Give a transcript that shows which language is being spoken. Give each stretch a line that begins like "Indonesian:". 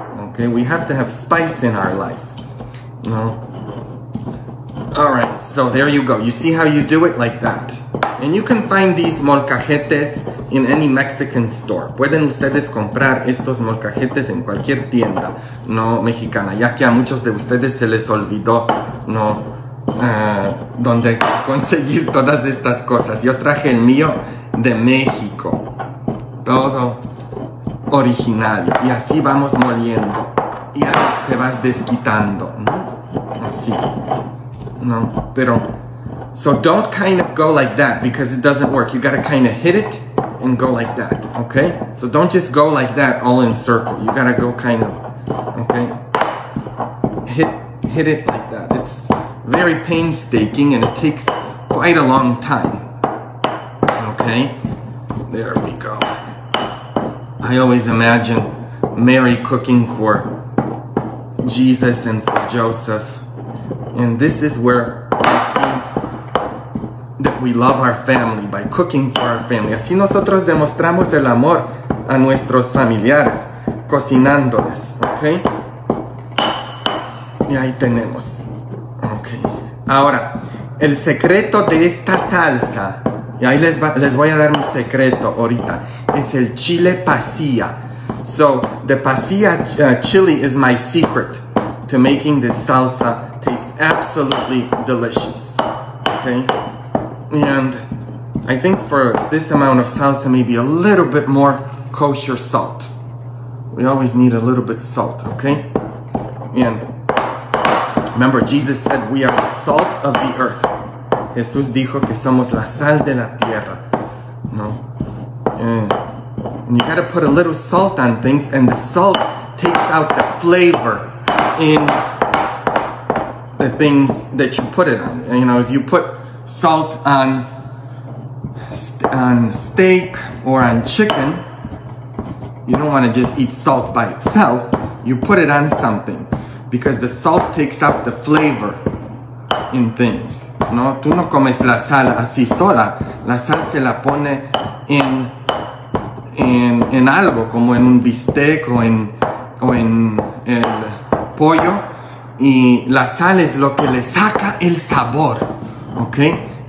English: Okay, we have to have spice in our life. No. All right, so there you go. You see how you do it like that. And you can find these molcajetes in any Mexican store.
Spanish: Pueden ustedes comprar estos molcajetes en cualquier tienda, no mexicana, ya que a muchos de ustedes se les olvidó, no, dónde conseguir todas estas cosas. Yo traje el mío de México, todo originario. Y así vamos moliendo. Y ahí, te vas desquitando, ¿no? Así. No, pero...
English: So don't kind of go like that because it doesn't work. You gotta kind of hit it and go like that, okay? So don't just go like that all in circle. You gotta go kind of, okay? Hit it like that. It's very painstaking and it takes quite a long time, okay? There we go. I always imagine Mary cooking for Jesus and for Joseph. And this is where we see that we love our family, by cooking for our family.
Spanish: Así nosotros demostramos el amor a nuestros familiares, cocinándoles, okay? Y ahí tenemos. Okay. Ahora, el secreto de esta salsa, y ahí les voy a dar mi secreto ahorita, es el chile pasilla.
English: So, the pasilla chili is my secret to making this salsa taste absolutely delicious. Okay? And I think for this amount of salsa, maybe a little bit more kosher salt. We always need a little bit salt, okay? And remember, Jesus said we are the salt of the earth.
Spanish: Jesús dijo que somos la sal de la tierra. No.
English: And you gotta put a little salt on things, and the salt takes out the flavor in the things that you put it on. You know, if you put salt on steak or on chicken, you don't want to just eat salt by itself. You put it on something because the salt takes up the flavor in things.
Spanish: No, tú no comes la sal así sola. La sal se la pone en algo, como en un bistec o en el pollo. Y la sal es lo que le saca el sabor, okay?